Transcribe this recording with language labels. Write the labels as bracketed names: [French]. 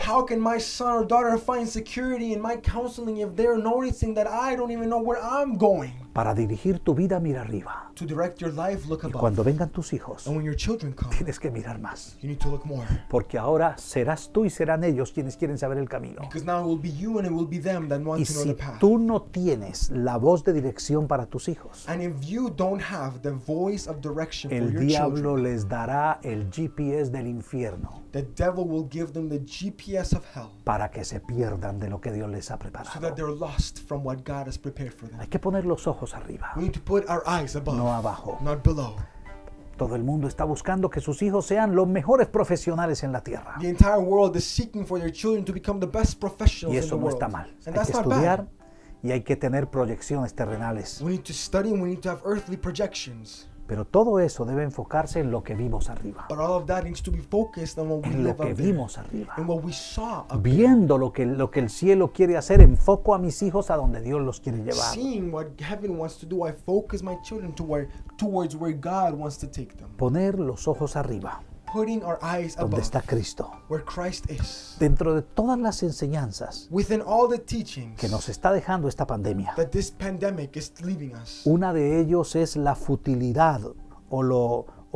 [English] How can my son or daughter find security in my counseling if they're noticing that I don't even know where I'm going? [Spanish] Para dirigir tu vida, mira arriba. [English] To direct your life, look above. [Spanish] Y cuando vengan tus hijos, [English] and when your children come, [Spanish] tienes que mirar más. [English] You need to look more. [Spanish] Porque ahora serás tú y serán ellos quienes quieren saber el camino. [English] Because now it will be you and it will be them that want [Spanish] y [English] to know [Spanish] si [English] the path. [Spanish] Tú no tienes la voz de dirección para tus hijos, [English] and if you don't have the voice of direction [Spanish] el [English] for your [Spanish] diablo [English] children, [Spanish] les dará el GPS del infierno. [English] The devil will give them the GPS of hell. [Spanish] Para que se pierdan de lo que Dios les ha preparado. [English] So that they're lost from what God has prepared for them. [Spanish] Hay que poner los ojos arriba. [English] We need to put our eyes above. [Spanish] No abajo. [English] Not below. [Spanish] Todo el mundo está buscando que sus hijos sean los mejores profesionales en la tierra. [English] The entire world is seeking for their children to become the best professionals in the world. [Spanish] Y eso no está mal. [English] And that's not bad. [Spanish] Hay que estudiar y hay que tener proyecciones terrenales. [English] We need to study and we need to have earthly projections. [Spanish] Pero todo eso debe enfocarse en lo que vimos arriba. [English] But all of that needs to be focused on what we [Spanish] en lo que vimos arriba. [English] And what we saw up there. [Spanish] Viendo lo que el cielo quiere hacer, enfoco a mis hijos a donde Dios los quiere llevar. [English] Seeing what heaven wants to do, I focus my children towards where God wants to take them. [Spanish] Poner los ojos arriba. [English] Putting our eyes [Spanish] above. Donde está Cristo. [English] Where Christ is. [Spanish] Dentro de todas las enseñanzas. [English] Within all the teachings. [Spanish] Que nos está dejando esta pandemia. [English] That this pandemic is leaving us. [Spanish] Una de ellos es la futilidad o lo